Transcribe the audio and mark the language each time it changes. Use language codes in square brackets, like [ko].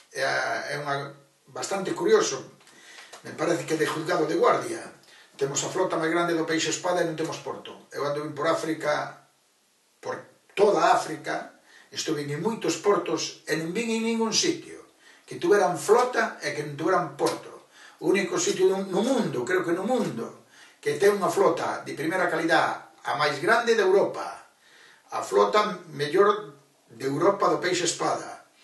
[gl] É unha bastante curioso. [es] Me parece que de juzgado de guardia. [gl] Temos a flota máis grande do país espada e non temos porto. Eu ando por África, por toda África, estuve en moitos portos e non vin en ningún sitio que tuveran flota e que non tuveran porto. O único sitio no mundo, creo que no mundo, que ten unha flota de primeira calidad, a máis grande de Europa, a flota mellor de Europa do peixe espada.